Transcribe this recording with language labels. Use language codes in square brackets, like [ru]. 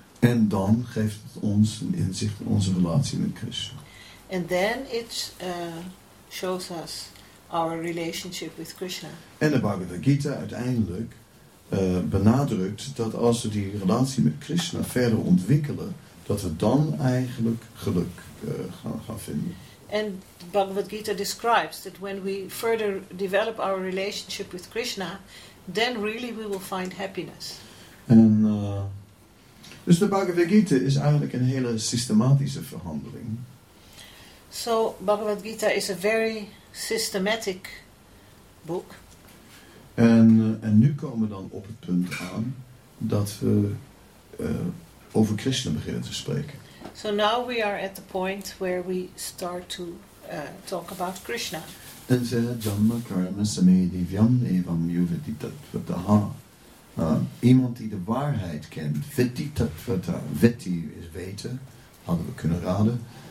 [nl] En dan geeft het ons een inzicht in onze relatie met Krishna. [en] And then it shows us our relationship with Krishna. [nl] En de Bhagavad Gita uiteindelijk benadrukt dat als we die relatie met Krishna verder ontwikkelen, dat we dan eigenlijk geluk gaan vinden. [en] And Bhagavad Gita describes that when we further develop our relationship with Krishna, then really we will find happiness. [nl] En dus de Bhagavad Gita is eigenlijk een hele systematische verhandeling. [en] So Bhagavad Gita is a very systematic book. [nl] En nu komen we dan op het punt aan dat we over Krishna beginnen te spreken. [en] So now we are at the point where we start to talk about Krishna. [sa] En ze janma karma samedivyam evam yuvetitattvataha. [nl] Iemand die de waarheid kent, vetitattvata, veti is weten, hadden we kunnen raden.